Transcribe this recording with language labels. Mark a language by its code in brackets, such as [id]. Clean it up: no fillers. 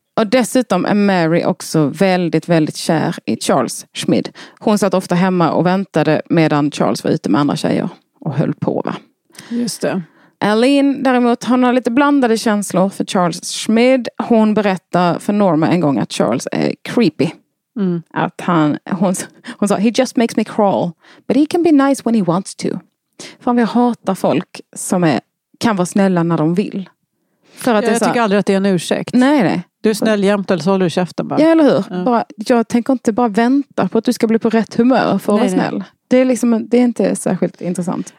[sv] Och dessutom är Mary också väldigt, väldigt kär i Charles Schmid. Hon satt ofta hemma och väntade medan Charles var ute med andra tjejer och höll på, va? Just det. Aline, däremot, hon har lite blandade känslor för Charles Schmid. Hon berättar för Norma en gång att Charles är creepy. Mm. Att hon sa, [en] he just makes me crawl, but he can be nice when he wants to. [sv] För vi hatar folk som kan vara snälla när de vill. För att jag tycker aldrig att det är en ursäkt. Nej, nej. Du är snäll jämt eller så håller du käften bara. Ja, eller hur? Mm. Jag tänker inte bara vänta på att du ska bli på rätt humör för att vara snäll. Det är liksom, det är inte särskilt intressant.